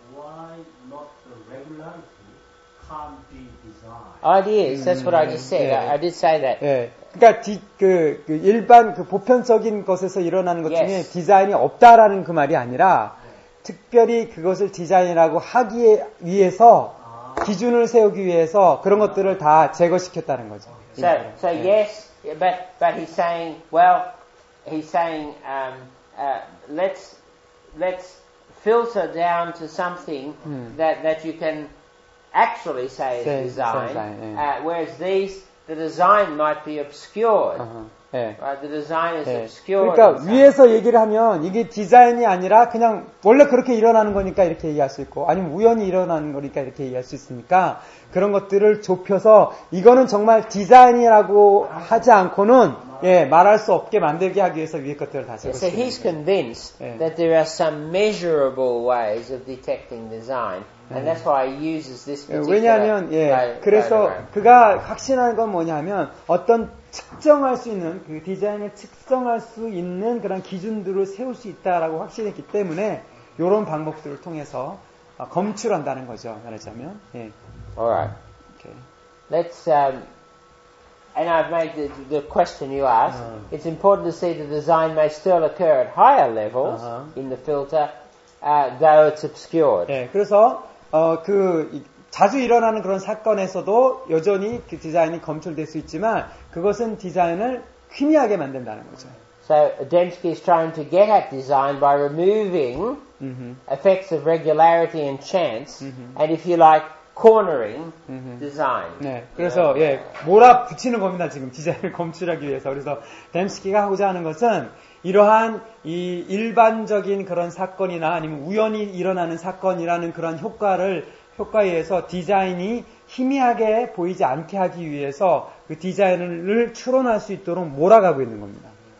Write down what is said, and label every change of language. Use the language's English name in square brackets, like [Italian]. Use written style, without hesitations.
[English] Why not the regularity can't be designed? Oh, it is. That's what I just said. Yeah. I did say that. Yeah. [Korean] 그러니까 그 일반 그 보편적인 것에서 일어나는 것 중에 [English] yes. [Korean] 디자인이 없다라는 그 말이 아니라 특별히 그것을 디자인이라고 하기 위해서 기준을 세우기 위해서 그런 것들을 다 제거시켰다는 거죠. [English] So yeah. yes, but he's saying well, he's saying let's filter down to something that you can actually say is design. Whereas these The design might be obscured. Uh-huh. [Korean] 네. [English] Right? The design is 네. obscured. [Korean] 그러니까 위에서 얘기를 하면 이게 디자인이 아니라 그냥 원래 그렇게 일어나는 거니까 이렇게 얘기할 수 있고 아니면 우연히 일어나는 거니까 이렇게 얘기할 수 있으니까 그런 것들을 좁혀서 이거는 정말 디자인이라고 하지 않고는 예, 말할 수 없게 만들게 하기 위해서 위에 것들을 다 적어 [English] So he's convinced [Korean] 네. [English] that there are some measurable ways of detecting design. And that's why he uses this particular [Korean] 왜냐하면 예, 그래서 그가 확신하는 건 뭐냐면 어떤 측정할 수 있는 그 디자인을 측정할 수 있는 그런 기준들을 세울 수 있다라고 확신했기 때문에 이런 방법들을 통해서 검출한다는 거죠. 말하자면. 예. [English] Alright. Okay. Let's and I've made the question you asked. It's important to see the design may still occur at higher levels in the filter. Though it's obscured. [Korean] 네, 그래서 그 자주 일어나는 그런 사건에서도 여전히 그 디자인이 검출될 수 있지만 그것은 디자인을 희미하게 만든다는 거죠. [English] So Adamski is trying to get at design by removing effects of regularity and chance, and if you like, cornering design. [Korean] 네, 그래서 예, 몰아붙이는 겁니다 지금 디자인을 검출하기 위해서. 그래서 Adamski가 하고자 하는 것은 이러한 이 일반적인 그런 사건이나 아니면 우연히 일어나는 사건이라는 그런 효과를 효과에 의해서 디자인이 희미하게 보이지 않게 하기 위해서 그 디자인을 추론할 수 있도록 몰아가고 있는 겁니다.